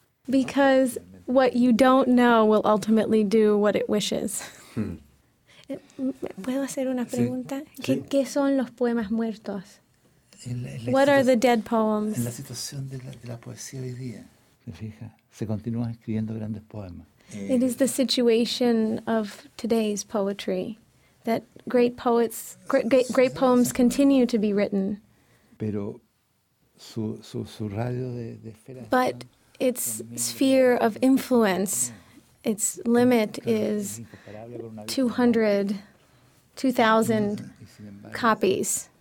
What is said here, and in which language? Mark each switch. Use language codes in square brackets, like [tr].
[en] Because what you don't know will ultimately do what it wishes. [es] ¿Puedo hacer una pregunta? ¿Qué son los poemas muertos? [en] What are the dead poems? [es] En la situación de la poesía hoy día, se fija, se continúan escribiendo grandes poemas. [en] It is the situation of today's poetry that great poets, great poems continue to be written. [es] Pero su radio de esfera. [en] But its sphere of influence, its limit is 2,000 copies.